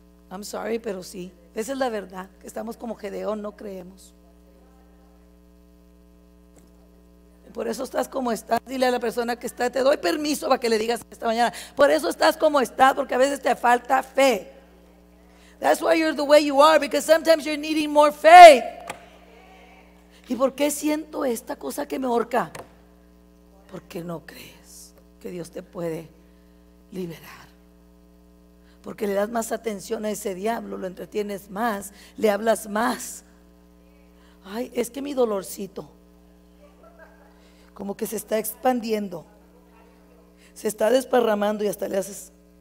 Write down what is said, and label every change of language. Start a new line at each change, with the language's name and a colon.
English: I'm sorry,
Spanish: pero sí. Esa es la verdad, que estamos como Gedeón, no creemos. Por eso estás como estás. Dile a la persona que está, te doy permiso para que le digas esta mañana, por eso estás como estás, porque a veces te falta fe.
English: That's why you're the way you are, because sometimes you're needing more faith.
Spanish: ¿Y por qué siento esta cosa que me ahorca? Porque no crees que Dios te puede liberar. Porque le das más atención a ese diablo, lo entretienes más, le hablas más. Ay, es que mi dolorcito como que se está expandiendo, se está desparramando, y hasta le haces,